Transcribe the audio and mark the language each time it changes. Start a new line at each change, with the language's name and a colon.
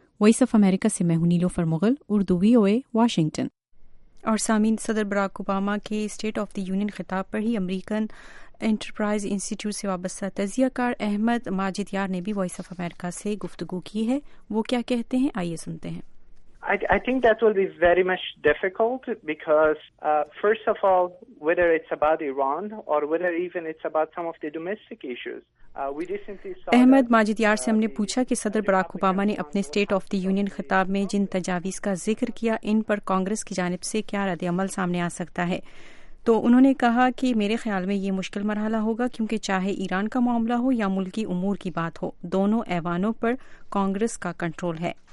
Urdu: Voice of America سے میں ہوں نیلوفر مغل, اردو وی او اے واشنگٹن. اور سامعین, صدر براک اوباما کے اسٹیٹ آف دی یونین خطاب پر ہی امریکن انٹرپرائز انسٹیٹیوٹ سے وابستہ تجزیہ کار احمد ماجد یار نے بھی وائس آف امریکہ سے گفتگو کی ہے. وہ کیا کہتے ہیں, آئیے سنتے ہیں.
English: I think that will be very much difficult because first of all, whether it's about Iran or whether even it's about some of the domestic issues.
Urdu: Ahmad Majid یار سے ہم نے پوچھا کہ صدر براک اوباما نے اپنے اسٹیٹ آف دی یونین خطاب میں جن تجاویز کا ذکر کیا ان پر کانگریس کی جانب سے کیا رد عمل سامنے آ سکتا ہے. تو انہوں نے کہا کہ میرے خیال میں یہ مشکل مرحلہ ہوگا, کیونکہ چاہے ایران کا معاملہ ہو یا ملکی امور کی بات ہو, دونوں ایوانوں پر کانگریس کا کنٹرول ہے.